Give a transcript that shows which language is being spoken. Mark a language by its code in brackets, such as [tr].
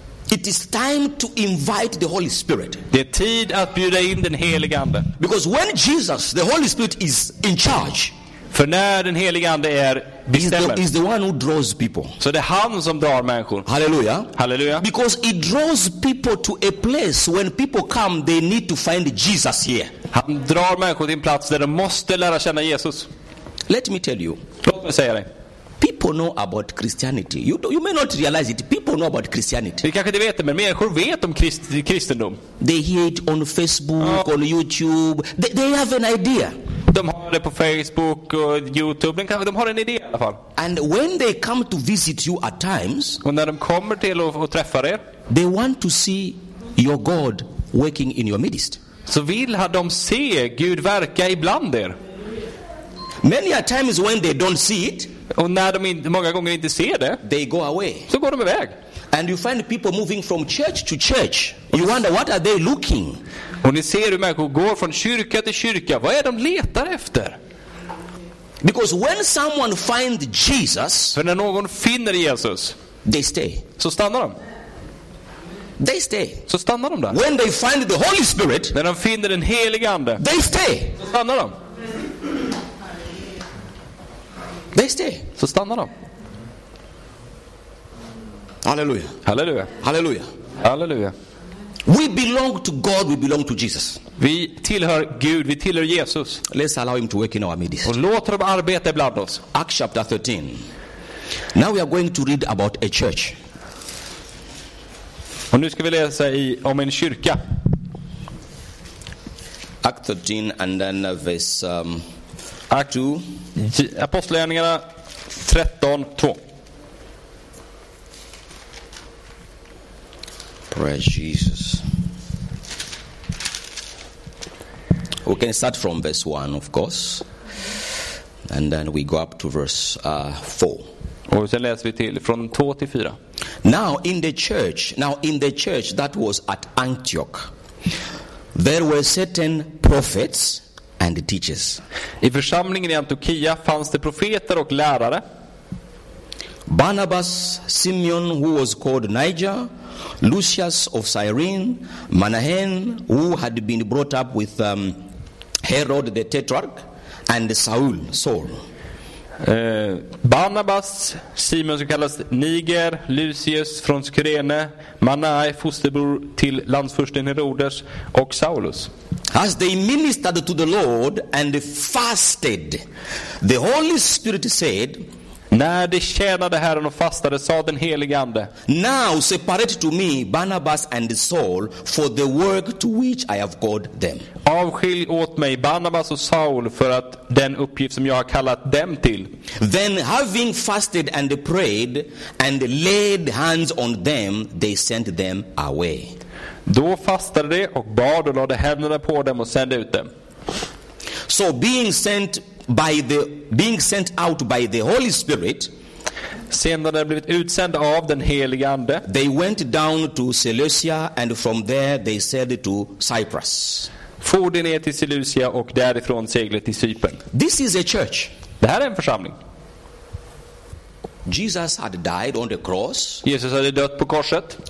[en] It is time to invite the Holy Spirit. [sv] Det är tid att bjuda in den helige ande. [en] Because when Jesus, the Holy Spirit is in charge. [sv] För när den helige ande är bestämmer. [en] He is the one who draws people. [sv] Så det är han som drar människor. Halleluja. Halleluja. [en] Because he draws people to a place when people come they need to find Jesus here. [sv] Han drar människor till en plats där de måste lära känna Jesus. [en] Let me tell you. [sv] Låt mig säga dig. [en] People know about Christianity. You may not realize it. People know about Christianity. [sv] Vi kanske inte vet det, men människor vet om kristendom. [en] They hear it on Facebook, on YouTube. They have an idea. [sv] De har det på Facebook och YouTube. De har en idé i alla fall. [en] And when they come to visit you at times. [sv] Och när de kommer till och träffar er. [en] They want to see your God working in your midst. [sv] Så vill de se Gud verka ibland er. [en] Many a times when they don't see it, [sv] och när de många gånger inte ser det, [en] they go away. [sv] Så går de iväg. [en] And you find people moving from church to church. You wonder what are they looking? [sv] Och ni ser hur människor går från kyrka till kyrka. Vad är de letar efter? [en] Because when someone finds Jesus, [sv] för när någon finner Jesus, [en] they stay. [sv] Så stannar de. [en] They stay. [sv] Så stannar de där. [en] When they find the Holy Spirit, [sv] när de finner den helige ande, [en] they stay. [sv] Så stannar de. [en] They stay. [sv] Så stannar de. Halleluja. Halleluja. Halleluja. Halleluja. [en] We belong to God, we belong to Jesus. [sv] Vi tillhör Gud, vi tillhör Jesus. [en] Let's allow him to work in our midst. [sv] Och låt dem arbeta bland oss. [en] Acts chapter 13. Now we are going to read about a church. [sv] Och nu ska vi läsa om en kyrka. [en] Acts 13 and then this [sv] Act 2. Apostlagärningarna 13:2. [en] Praise Jesus. We can start from verse 1 of course. And then we go up to verse 4. [sv] Och sen läser vi till från 2 till 4. [en] Now in the church that was at Antioch. There were certain prophets and teachers. [sv] I församlingen i Antiochia fanns det profeter och lärare. [en] Barnabas, Simeon, who was called Niger, Lucius of Cyrene, Manahen, who had been brought up with Herod the Tetrarch, and Saul. [sv] Barnabas, Simon som kallas Niger, Lucius från Cyrene, Manahe, fosterbror till landsförsten Herodes och Saulus. [en] As they ministered to the Lord and fasted, the Holy Spirit said, [sv] när de tjänade Herren och fastade, sa den helige ande, [en] now separate to me Barnabas and Saul for the work to which I have called them. [sv] Avskilj åt mig Barnabas och Saul för att den uppgift som jag har kallat dem till. [en] Then having fasted and prayed and laid hands on them, they sent them away. [sv] Då fastade de och bad och lade händerna på dem och sände ut dem. [en] So being sent out by the Holy Spirit, [sv] sedan de blivit utsända av den helige ande, [en] they went down to Seleucia and from there they sailed to Cyprus. [sv] For de ner till Seleucia och därifrån seglade till Cypern. [en] This is a church. [sv] Det här är en församling. [en] Jesus had died on the cross. [sv] Jesus hade dött på korset.